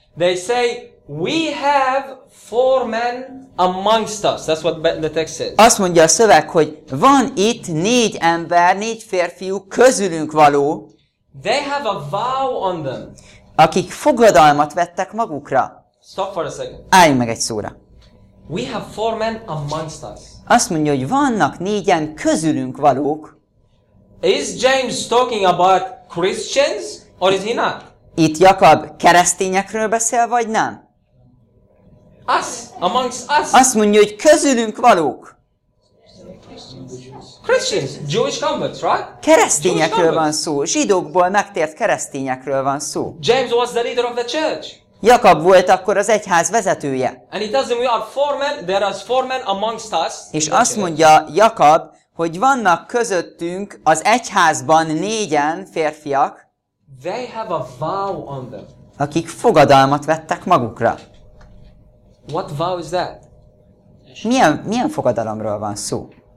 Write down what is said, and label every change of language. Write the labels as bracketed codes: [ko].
[en] They say, we have 4 men amongst us. That's what the text says. [hu] Azt mondja a szöveg, hogy van itt 4 ember, 4 férfiú közülünk való. [en] They have a vow on them. [hu] Akik fogadalmat vettek magukra. [en] Stop for a second. [hu] Állj meg egy szóra. [en] We have 4 men amongst us. [hu] Azt mondja, hogy vannak 4 közülünk valók. [en] Is James talking about Christians or is he not? [hu] Itt Jakab keresztényekről beszél, vagy nem? [en] Us, amongst us. [hu] Azt mondja, hogy közülünk valók. [en] Christians, Jewish converts, right? [hu] Keresztényekről van szó, zsidókból megtért keresztényekről van szó. [en] James was the leader of the church. [hu] Jakab volt akkor az egyház vezetője. [en] And it doesn't mean we are 4 men, there are 4 men amongst us. [hu] És azt mondja Jakab, hogy vannak közöttünk az egyházban 4 férfiak. [en] They have a vow on them. [hu] Akik fogadalmat vettek magukra. [en] What vow is that? [hu] Milyen fogadalomról van szó?